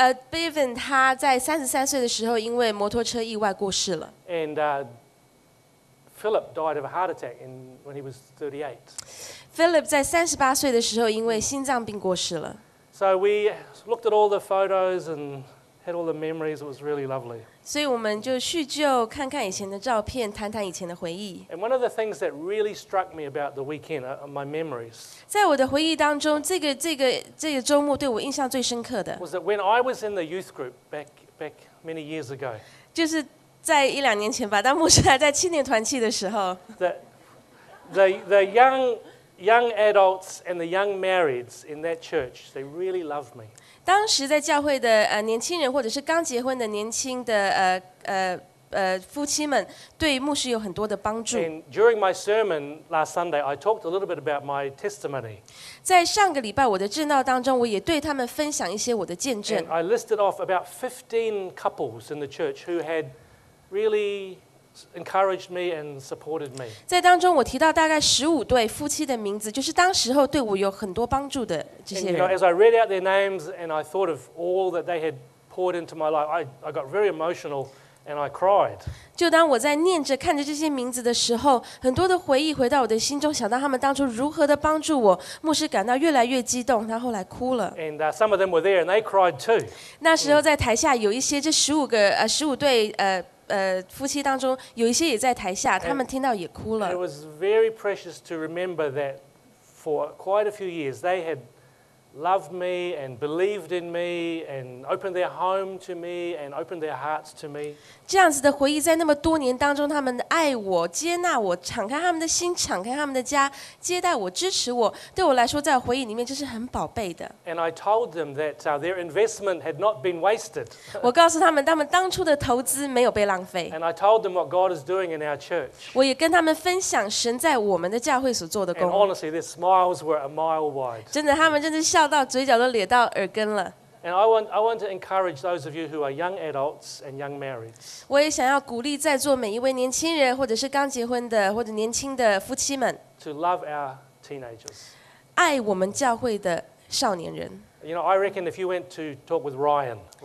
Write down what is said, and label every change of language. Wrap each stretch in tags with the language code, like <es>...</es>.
<zh>Bevan, 他在33岁的时候因为摩托车意外过世了。</zh> <en>And Philip died of a heart attack when he was 38.</en> <zh>Philip 在38岁的时候因为心脏病过世了。</zh> <en>So we looked at all the photos and had all the memories. It was really lovely.</en> <zh>所以我们就叙旧，看看以前的照片，谈谈以前的回忆。</zh> <en>And one of the things that really struck me about the weekend are my memories.</en> <zh>在我的回忆当中，这个周末对我印象最深刻的</zh> <en>was that when I was in the youth group back many years ago.</en> <zh>就是在一两年前吧，当牧师还在青年团契的时候</zh> <en>，that the young adults and the young marrieds in that church, they really loved me.</en> <zh>当时在教会的年轻人或者是刚结婚的年轻的夫妻们对牧师有很多的帮助。</zh> <en>And during my sermon last Sunday, I talked a little bit about my testimony.</en> <zh>在上个礼拜我的证道当中，我也对他们分享一些我的见证。</zh> <en>And I listed off about 15 couples in the church who had really... encouraged me and supported me.</en> <zh>在当中，我提到大概15对夫妻的名字，就是当时候对我有很多帮助的这些人。</zh> <en>And, you know, as I read out their names and I thought of all that they had poured into my life, I got very emotional and I cried.</en> <zh>就当我在念着看着这些名字的时候，很多的回忆回到我的心中，想到他们当初如何的帮助我，牧师感到越来越激动，他后来哭了。</zh> <en>And some of them were there and they cried too.</en> <zh>那时候在台下有一些这十五对夫妻当中有一些也在台下，他们听到也哭了。</zh> <en>It was very precious to remember that for quite a few years they had loved me and believed in me and opened their home to me and opened their hearts to me.</en> <zh>这样子的回忆在那么多年当中，他们爱我、接纳我、敞开他们的心、敞开他们的家、接待我、支持我，对我来说，在回忆里面这是很宝贝的。</zh> <en>And I told them that their investment had not been wasted.</en> <zh>我告诉他们，他们当初的投资没有被浪费。</zh> <en>And I told them what God is doing in our church.</en> <zh>我也跟他们分享神在我们的教会所做的工。</zh> <en>And honestly, their smiles were a mile wide.</en> <zh>真的，他们真的笑到嘴角都咧到耳根了。</zh> <en>And I want to encourage those of you who are young adults and young married.</en> <zh>我也想要鼓励在座每一位年轻人，或者是刚结婚的，或者年轻的夫妻们。</zh> <en>To love our teenagers.</en> <zh>爱我们教会的少年人。</zh> <en>You know, I reckon if you went to talk with Ryan.</en>